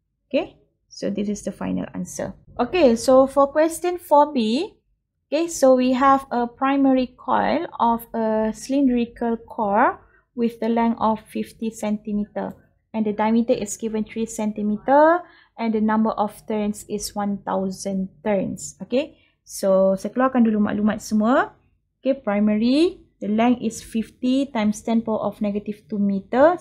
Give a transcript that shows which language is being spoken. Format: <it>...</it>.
<en>Okay, so this is the final answer. Okay, so for question 4B, okay, so we have a primary coil of a cylindrical core with the length of 50 centimeter. And the diameter is given 3 cm and the number of turns is 1,000 turns.</en> <ms>Okay, so saya keluarkan dulu maklumat semua.</ms> <en>Okay, primary, the length is 50 times 10 power of negative 2 meter.</en>